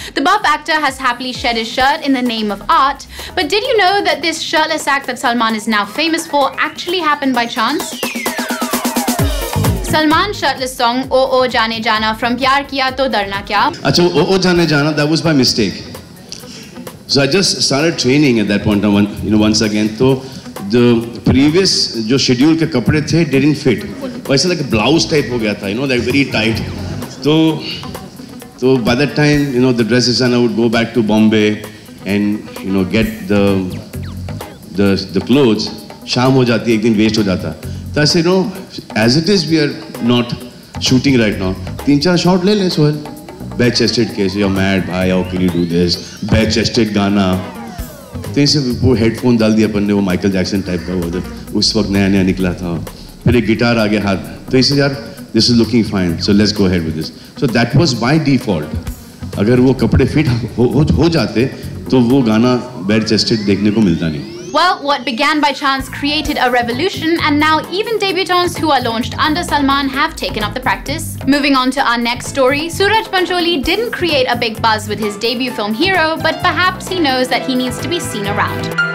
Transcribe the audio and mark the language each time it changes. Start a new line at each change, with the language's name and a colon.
English: The buff actor has happily shed his shirt in the name of art, but did you know that this shirtless act that Salman is now famous for actually happened by chance? Salman's shirtless song, O O Jaane Jaana from Pyar Kiya To Darna Kya? Achha, O O Jaane Jaana, that was by mistake. So I just started training at that point, you know, once again. So the previous
Hindi: jo schedule ke kapde the
English: didn't fit. वैसे like blouse type हो गया था you know that very tight तो by that time you know the dress is and I would go back to Bombay and you know get the clothes
Hindi: शाम हो जाती एक दिन वेस्ट हो जाता
English: तो I say no as it is we are not shooting right now
Hindi: तीन चार शॉट ले लें
English: Sohail back chested case your mad भाई how can you do this back chested गाना
Hindi: तो इसे वो हेडफोन डाल दिया अपन ने वो माइकल जैक्सन टाइप का वो जब उस वक्त नया नया निकला था मेरे गिटार आ गया हाथ तो इसे यार
English: this is looking fine so let's go ahead with this so that was my default
Hindi: अगर वो कपड़े फिट हो जाते तो वो गाना बैर चेस्टेड देखने को मिलता नहीं
English: Well, what began by chance created a revolution, and now even debutants who are launched under Salman have taken up the practice. Moving on to our next story, Suraj Pancholi didn't create a big buzz with his debut film Hero, but perhaps he knows that he needs to be seen around.